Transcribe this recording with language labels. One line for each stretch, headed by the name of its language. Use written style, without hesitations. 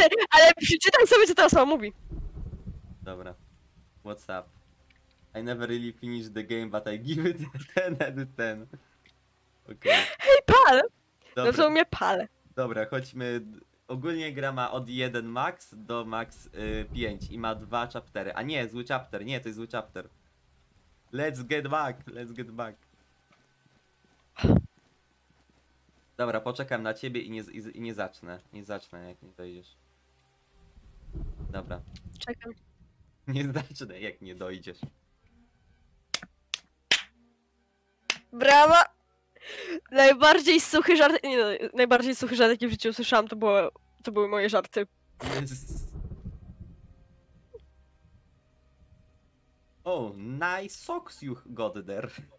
Polish: Ale przeczytaj sobie, co ta osoba mówi. Dobra.
English: What's up? I never really finished the game, but I give it a 10/10.
Polish: Okay. Hej, pal! Dobra. No to u mnie pal. Dobra, chodźmy. Ogólnie gra ma od 1 max do max 5 i ma 2 chaptery. A nie, zły chapter. Nie, to jest zły chapter.
English: Let's get back.
Polish: Dobra, poczekam na ciebie i nie zacznę. Nie zacznę, jak nie dojdziesz. Dobra. Czekam. Nie zacznę, jak nie dojdziesz. Brawa! Najbardziej suchy żart... Nie, najbardziej suchy żart, jaki w życiu usłyszałam, to były moje żarty.
English: Oh, nice socks you got there.